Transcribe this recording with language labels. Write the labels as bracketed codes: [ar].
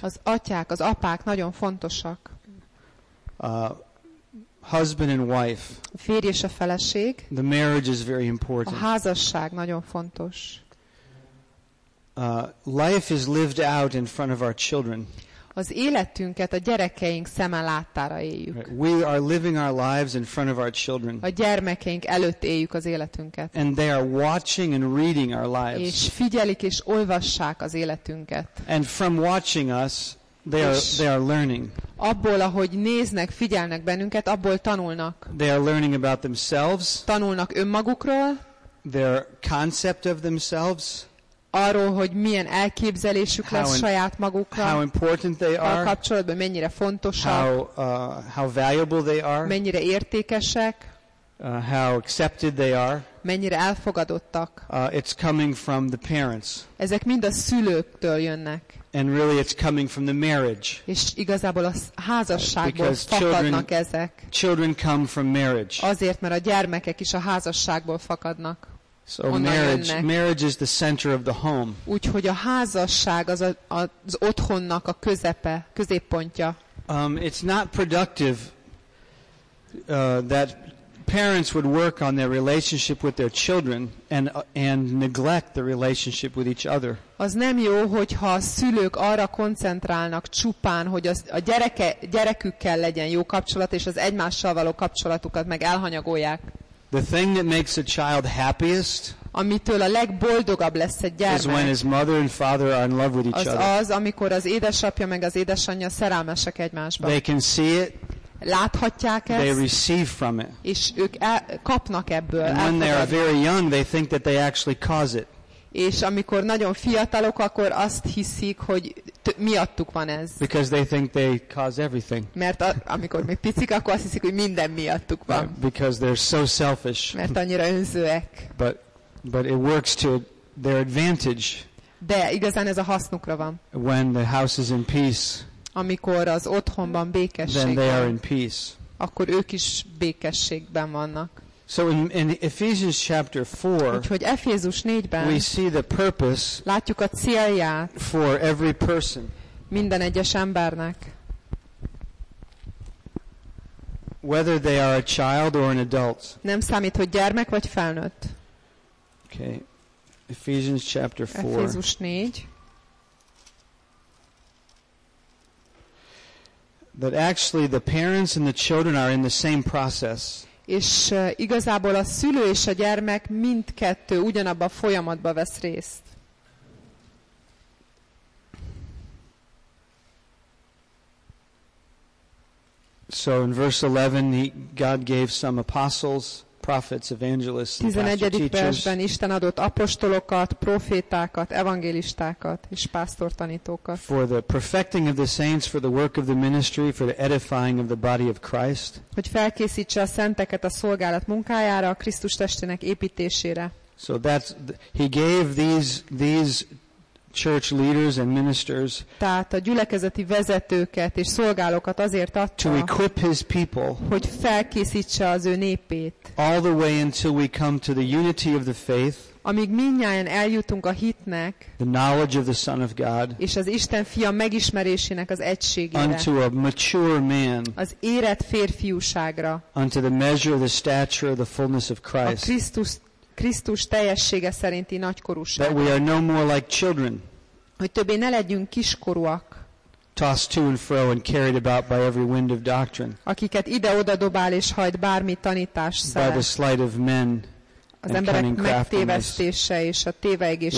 [hu] Az atyák, az apák nagyon fontosak. [en] Husband and wife. [hu] A férj és a feleség. [en] The marriage is very important. [hu] A házasság nagyon fontos. [en] Life is lived out in front of our children. [hu] Az életünket a gyerekeink szemen láttára éljük. [en] We are living our lives in front of our children. [hu] A gyermekeink előtt éljük az életünket. [en] And they are watching and reading our lives. [hu] És figyelik és olvassák az életünket. [en] And from watching us, they are learning. [hu] Abból, ahogy néznek, figyelnek bennünket, abból tanulnak. [en] They are learning about themselves. [hu] Tanulnak önmagukról. [en] Their concept of themselves. [hu] Arról, hogy milyen elképzelésük lesz saját magukra, [en] how important they are, [hu] a kapcsolatban mennyire fontosak, [en] how valuable they are, [hu] mennyire értékesek, [en] how accepted they are, [hu] mennyire elfogadottak. [en] It's coming from the parents. [hu] Ezek mind a szülőktől jönnek. [en] And really it's coming from the marriage. [hu] És igazából a házasságból fakadnak ezek. [en] Children come from marriage. [hu] Azért, mert a gyermekek is a házasságból fakadnak. [en] So marriage is the center of the home. [hu] Úgyhogy a házasság az az otthonnak a közepe, középpontja. [en] It's not productive that parents would work on their relationship with their children and neglect the relationship with each other. [hu] Az nem jó, hogyha a szülők arra koncentrálnak csupán, hogy a gyerekükkel legyen jó kapcsolat és az egymással való kapcsolatukat meg elhanyagolják. [en] The thing that makes a child happiest, [hu] amitől a legboldogabb lesz egy gyermek, [en] is when his mother and father are in love with each other. [hu] Az, amikor az édesapja meg az édesanyja szerelmesek egymásba. [en] They can see it. [hu] Láthatják ezt. [en] They receive from it. [hu] És ők kapnak ebből. [en] And when they are very young, they think that they actually cause it. [hu] És amikor nagyon fiatalok, akkor azt hiszik, hogy miattuk van ez. [en] Because they think they cause everything. [hu] Mert amikor még picik, akkor azt hiszik, hogy minden miattuk van. [en] Because they're so selfish. [hu] Mert annyira önzőek. [en] But it works to their advantage. [hu] De igazán ez a hasznukra van. [en] When the house is in peace. [hu] Amikor az otthonban békesség van. [en] Then they are in peace. [hu] Akkor ők is békességben vannak. [en] So in Ephesians chapter 4, [hu] úgyhogy Efézus 4-ben [en] we see the purpose, [hu] látjuk a célját [en] for every person, [hu] minden egyes embernek, [en] whether they are a child or an adult. [hu] Nem számít, hogy gyermek vagy felnőtt. [en] Okay. Ephesians chapter 4. [hu] Efézus 4. [en] That actually the parents and the children are in the same process. [hu] És igazából a szülő és a gyermek mindkettő ugyanabban a folyamatban vesz részt. [en] So in verse 11, God gave some apostles, prophets, evangelists, and [hu] 11. versben Isten adott apostolokat, profétákat, evangélistákat és pásztortanítókat. [en] For the perfecting of the saints, for the work of the ministry, for the edifying of the body of Christ. [hu] Hogy felkészítse a szenteket a szolgálat munkájára, a Krisztus testének építésére. [en] So that he gave these church leaders and ministers. [hu] Tehát a gyülekezeti vezetőket és szolgálókat azért adta, [en] to equip his people, [hu] hogy felkészítse az ő népét. [en] All the way until we come to the unity of the faith. [hu] amíg mindnyájan eljutunk a hitnek, [en] the knowledge of the Son of God, [hu] és az Isten fia megismerésének az egységére, [en] unto a mature man, [hu] az érett férfiúságra, [en] unto the measure of the stature of the fullness of Christ, [hu] a Krisztus teljessége szerinti nagykorúságra, [en] that we are no more like children, [hu] hogy többé ne legyünk kiskorúak, [en] tossed to and fro and carried about by every wind of doctrine, [hu] akiket ide-oda dobál és hajt bármi tanítás szele, [en] by the sleight of men, [hu] az emberek megtévesztése és a téveigés